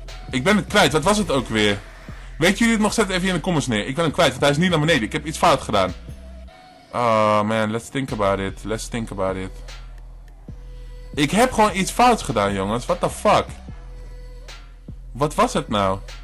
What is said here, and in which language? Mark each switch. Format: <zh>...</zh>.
<nl>Ik ben het kwijt, wat was het ook weer? Weet jullie het nog? Zet even in de comments neer. Ik ben hem kwijt, want hij is niet naar beneden. Ik heb iets fout gedaan.</nl> <en>Oh man, let's think about it.</en> <nl>Ik heb gewoon iets fout gedaan, jongens.</nl> <en>What the fuck?</en> <nl>Wat was het nou?</nl>